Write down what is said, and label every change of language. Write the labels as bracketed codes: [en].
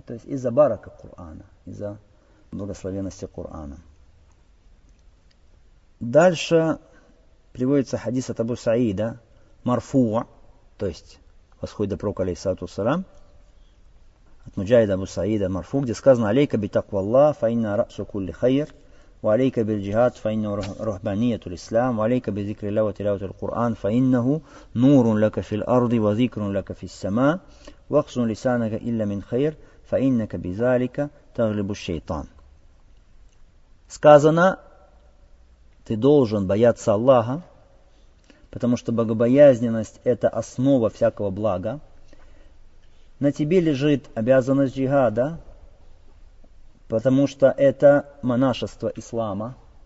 [ru] То есть из-за барака Корана, из-за благословенности Корана. Дальше приводится хадис от Абу Саида, марфуа, то есть восходит до пророка алейхиссалату вассалям, от Муджаида Абу Саида, марфу, где сказано [ar] «Алейка битакву Аллах, файна расу кулли хайр». وعليك بالجهاد فإنه رهبانية الإسلام وعليك بذكر الله وتلاوة القرآن فإنه نور لك في الأرض وذكر لك في السماء واقص لسانك إلا من خير فإنك بذلك تغلب الشيطان. [ru] Сказано, ты должен бояться Аллаха, потому что богобоязненность – это основа всякого блага. На тебе лежит обязанность джихада, потому что это монашество ислама.